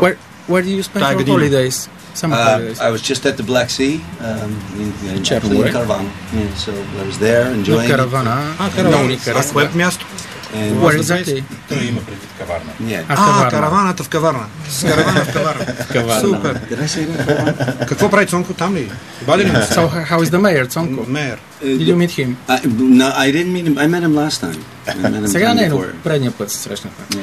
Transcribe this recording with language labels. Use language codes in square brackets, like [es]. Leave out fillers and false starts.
[en] Where did you spend your holidays? Holidays? I was just at the Black Sea in Черноморие. In Caravan. Yeah, so I was there enjoying. Caravan. [bg] Caravan. Кое място? [en] Where is that? [bg] Той има предвид каварна. [en] Yeah. [bg] Караваната в каварна. С каравана в каварна. Каварна. Супер. Какво прави Цонко там ли? Бали ли? [en] So how is the mayor, Цонко? Mayor. Did you meet him? I didn't meet him. I met him last time. [bg] Сега не, но предния път се срещнахме.